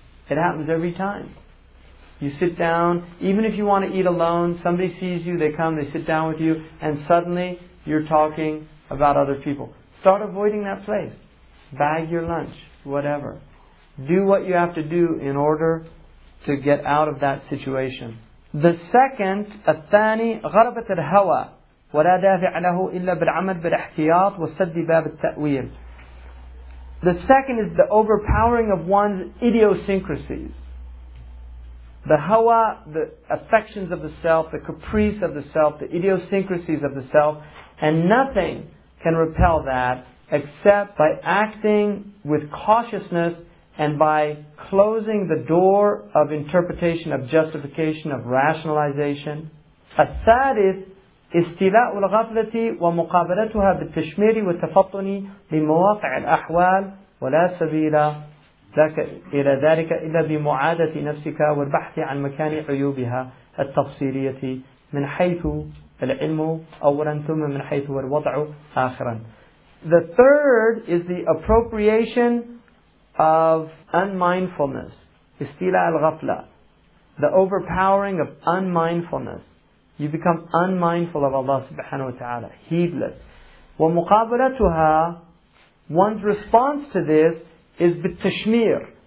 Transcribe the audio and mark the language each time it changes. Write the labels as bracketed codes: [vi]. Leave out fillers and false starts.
[en] It happens every time. You sit down, even if you want to eat alone, somebody sees you, they come, they sit down with you, and suddenly you're talking about other people. Start avoiding that place. Bag your lunch, whatever. Do what you have to do in order to get out of that situation. The second, [ar] الثاني, غربة الهوى ولا دافع له إلا بالعمل بالاحتياط والسد باب التأويل. [en] The second is the overpowering of one's idiosyncrasies. The hawa, the affections of the self, the caprice of the self, the idiosyncrasies of the self, and nothing can repel that except by acting with cautiousness and by closing the door of interpretation, of justification, of rationalization. [ar] الثالث استيلاء الغفلة ومقابلتها بالتشمير والتفطن لمواقع الأحوال ولا سبيل لك إلى ذلك إلا بمعادة نفسك والبحث عن مكان عيوبها التفصيلية من حيث العلم أولا ثم من حيث الوضع آخرا. [en] The third is the appropriation of unmindfulness, [ar] استيلاء الغفلة, [en] the overpowering of unmindfulness. You become unmindful of Allah subhanahu wa ta'ala, heedless. ومقابلتها, one's response to this is بالتشمير.